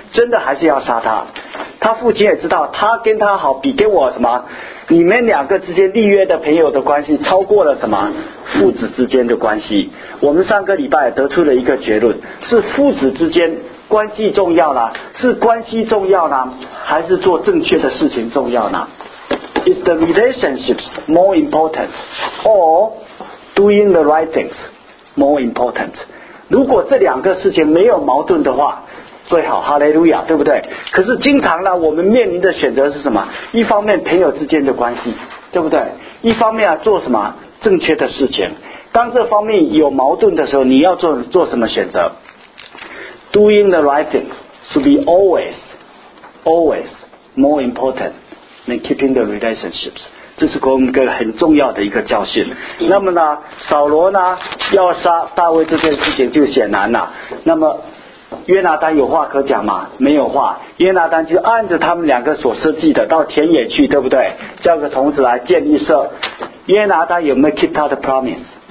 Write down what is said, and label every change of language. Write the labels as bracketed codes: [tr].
[zh] 真的还是要杀他。他父亲也知道，他跟他好比跟我什么，你们两个之间立约的朋友的关系超过了什么，父子之间的关系。我们上个礼拜得出了一个结论，是父子之间关系重要呢，是关系重要呢，还是做正确的事情重要呢？ [en] Is the relationships more important or doing the right things more important? [zh] 如果这两个事情没有矛盾的话最好，哈利路亚，对不对？可是经常呢，我们面临的选择是什么？一方面朋友之间的关系，对不对？一方面要做什么正确的事情。当这方面有矛盾的时候，你要做什么选择？ [en] Doing the right thing should be always, always more important than keeping the relationships. [zh] 这是给我们一个很重要的一个教训。那么呢，扫罗呢要杀大卫这件事情就显然了。那么约拿丹有话可讲吗？没有话。约拿丹就按着他们两个所设计的到田野去，对不对？叫个童子来建立社。约拿丹有没有 keep 他的 promise？